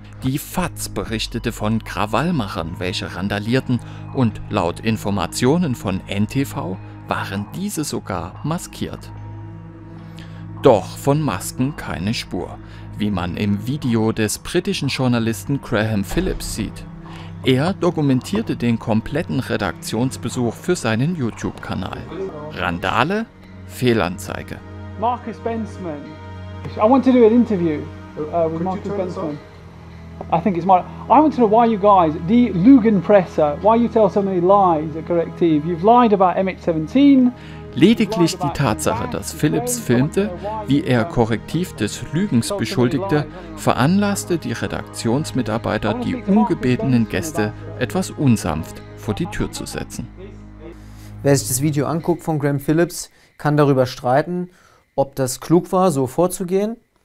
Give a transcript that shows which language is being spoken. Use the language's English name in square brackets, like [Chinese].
[German] Die FAZ berichtete von Krawallmachern, welche randalierten, und laut Informationen von NTV waren diese sogar maskiert. Doch von Masken keine Spur, wie man im Video des britischen Journalisten Graham Phillips sieht. Er dokumentierte den kompletten Redaktionsbesuch für seinen YouTube-Kanal. Randale? Fehlanzeige. Marcus Benzman. [English] I want to do an interview with Marcus Benzman. I think it's Marcus. I want to know why you guys, the Lügenpresse, why you tell so many lies at Correctiv. You've lied about MH17. [German] Lediglich die Tatsache, dass Phillips filmte, wie er Korrektiv des Lügens beschuldigte, veranlasste die Redaktionsmitarbeiter, die ungebetenen Gäste etwas unsanft vor die Tür zu setzen. Wer sich das Video anguckt von Graham Phillips, kann darüber streiten, ob das klug war, so vorzugehen.